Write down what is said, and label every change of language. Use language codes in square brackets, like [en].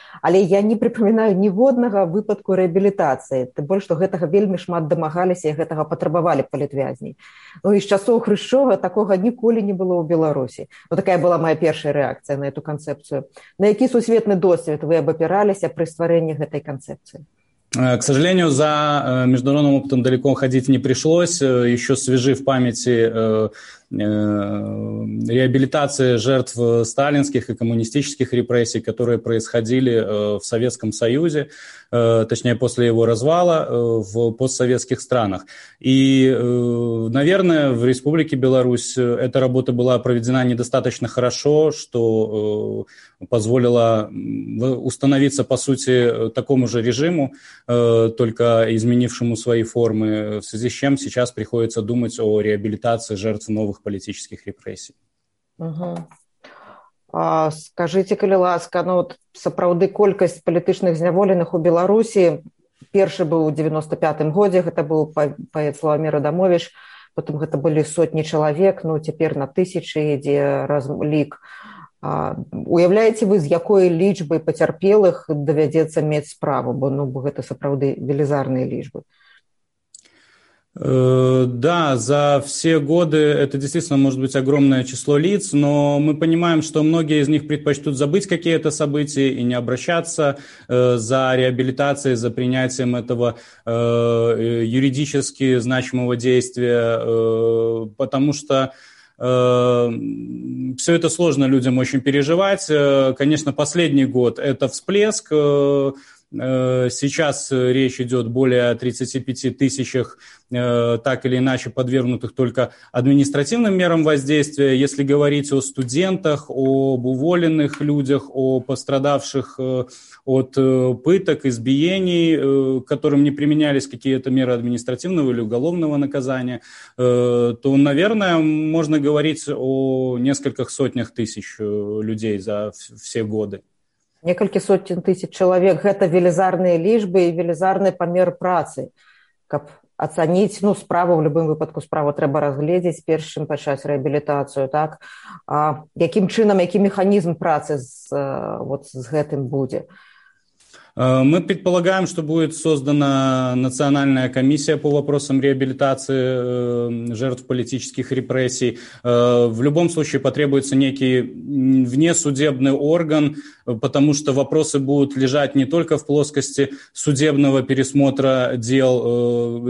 [be] Але я не прыпамінаю ніводнага выпадку рэабілітацыі, тым больш што гэтага вельмі шмат дамагаліся і гэтага патрабавалі палітвязні. Ну і з часоў Хрышчова такога ніколі не было ў Беларусі. Вот такая была мая першая рэакцыя на эту канцэпцыю. На які сусветны досвід вы абапіраліся пры стварэнні гэтай канцэпцыі? [ru] К сожалению, за международным опытом далеко ходить не пришлось. Еще свежи в памяти реабилитации жертв сталинских и коммунистических репрессий, которые происходили в Советском Союзе, точнее, после его развала в постсоветских странах. И, наверное, в Республике Беларусь эта работа была проведена недостаточно хорошо, что позволило установиться, по сути, такому же режиму, только изменившему свои формы, в связи с чем сейчас приходится думать о реабилитации жертв новых политических репрессий. Угу. [be] Скажите, калі ласка, ну вот сапраўды колькасць палітычных зняволеных у Беларусі, першы быў у 95-м годзе, гэта быў паэт Славамір Радамовіч, потым гэта былі сотні чалавек, ну цяпер на тысячы ідзе разлік. Уяўляеце вы, з якой лічбы пацярпелых давядзецца мець справу, бо ну гэта сапраўды велізарныя лічбы. [ru] Да, за все годы это действительно может быть огромное число лиц, но мы понимаем, что многие из них предпочтут забыть какие-то события и не обращаться за реабилитацией, за принятием этого юридически значимого действия, потому что все это сложно людям очень переживать. Конечно, последний год – это всплеск. Сейчас речь идет более о 35 тысячах так или иначе подвергнутых только административным мерам воздействия. Если говорить о студентах, об уволенных людях, о пострадавших от пыток, избиений, которым не применялись какие-то меры административного или уголовного наказания, то, наверное, можно говорить о нескольких сотнях тысяч людей за все годы. [be] Некалькі сотен тысяч чалавек, гэта велізарныя лічбы і велізарны памер працы. Каб ацаніць, ну, справу, ў любым выпадку справу трэба разгледзець, перш чым пачаць рэабілітацыю, так? А якім чынам, які механізм працы з гэтым будзе? [ru] Мы предполагаем, что будет создана национальная комиссия по вопросам реабилитации жертв политических репрессий. В любом случае потребуется некий внесудебный орган, потому что вопросы будут лежать не только в плоскости судебного пересмотра дел.